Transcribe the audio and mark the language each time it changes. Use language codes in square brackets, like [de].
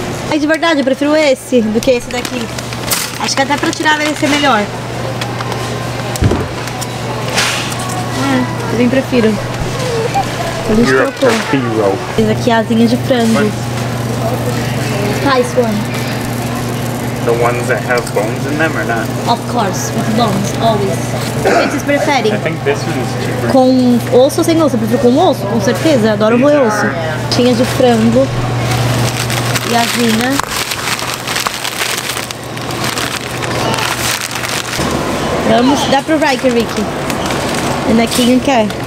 [pt] Ai, de verdade, eu prefiro esse do que esse daqui. Acho que até pra tirar vai ser melhor. Eu bem prefiro. A gente trocou. Esse aqui é asinha de frango. [en] Nice one. The ones that have bones in them or not? Of course, with bones, always. What do you prefer? I think this one is cheaper. [pt] Com osso ou sem osso? Eu prefiro com osso, com certeza. Adoro moer osso. Tinha de frango. E asinha. Vamos dar pro Riker, Ricky. E na quem quer?